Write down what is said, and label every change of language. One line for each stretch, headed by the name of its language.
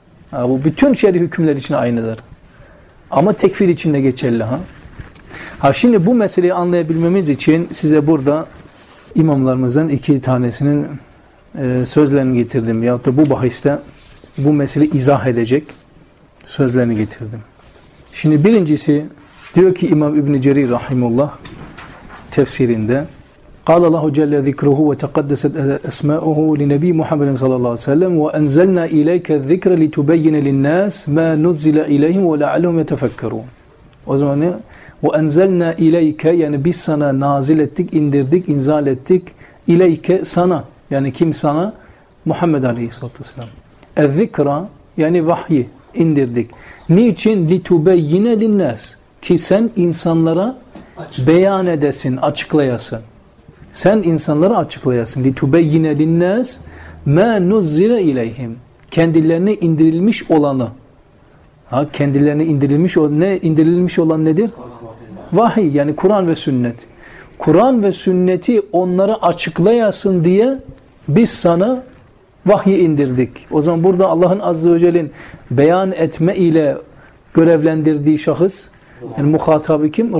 Turkish: Ha, bu bütün şer'i hükümler için aynıdır. Ama tekfir için de geçerli. Ha şimdi bu meseleyi anlayabilmemiz için size burada imamlarımızdan iki tanesinin sözlerini getirdim. Yahut da bu bahiste bu meseleyi izah edecek sözlerini getirdim. Şimdi birincisi diyor ki İmam İbn-i Cerir Rahimullah tefsirinde,
Arabic: قال الله جل ذكره وتقدست أسماؤه لنبي محمد صلى الله عليه وسلم وأنزلنا إليك الذكر لتبين للناس ما نزل إليهم ولعلهم يتفكرون.
Turkish: O zaman
Arabic: وَاَنْزَلْنَا اِلَيْكَ
Turkish: yani biz sana nazil ettik, indirdik, inzal ettik. اِلَيْكَ sana yani kim sana? Muhammed Aleyhisselatü Vesselam. اَذِّكْرَ yani vahyi indirdik. Niçin?
Arabic: لِتُبَيِّنَ لِلنَّاسِ
Turkish: ki sen insanlara beyan edesin, açıklayasın. Sen insanlara açıklayasın.
Arabic: لِتُبَيِّنَ لِلنَّاسِ مَا نُزِّلَ اِلَيْهِمْ
Turkish: kendilerine indirilmiş olanı. Ha, kendilerine indirilmiş olan ne? İndirilmiş olan nedir? Vahiy yani Kur'an ve sünnet. Kur'an ve sünneti onlara açıklayasın diye biz sana vahyi indirdik. O zaman burada Allah'ın azze ve celle'nin beyan etme ile görevlendirdiği şahıs yani muhatabı kim?